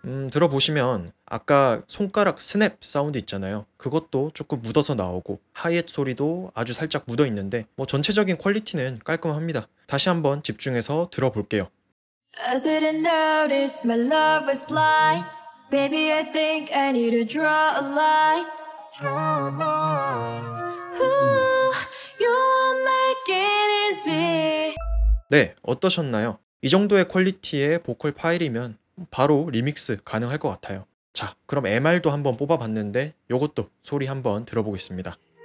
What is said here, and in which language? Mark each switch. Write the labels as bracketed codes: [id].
[ko] 들어보시면 아까 손가락 스냅 사운드 있잖아요. 그것도 조금 묻어서 나오고 하이햇 소리도 아주 살짝 묻어 있는데 뭐 전체적인 퀄리티는 깔끔합니다. 다시 한번 집중해서 들어볼게요. [en] I didn't notice my love was blind. Baby, I think I need to draw a line. Ooh, you're making it easy. [ko] 네, 어떠셨나요? 이 정도의 퀄리티의 보컬 파일이면 바로 리믹스 가능할 것 같아요. 자, 그럼 MR도 한번 뽑아봤는데 요것도 소리 한번 들어보겠습니다.